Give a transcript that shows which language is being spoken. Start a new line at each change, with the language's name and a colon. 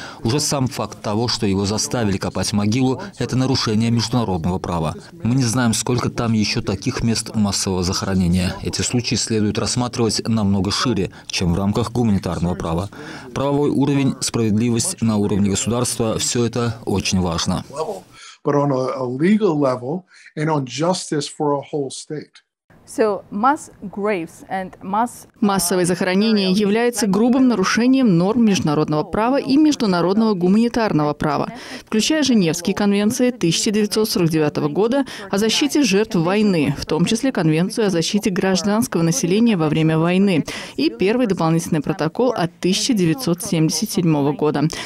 Russian: Уже сам факт того, что его заставили копать могилу, это нарушение международного права. Мы не знаем, сколько там еще таких мест массового захоронения. Эти случаи следует рассматривать намного шире, чем в рамках гуманитарного права. Правовой уровень, справедливость на уровне государства – все это очень важно.
English: But on a legal level and on justice for a whole state. So mass graves and mass
Russian: массовые захоронения являются грубым нарушением норм международного права и международного гуманитарного права, включая Женевские конвенции 1949 года о защите жертв войны, в том числе Конвенцию о защите гражданского населения во время войны и первый дополнительный протокол от 1977 года.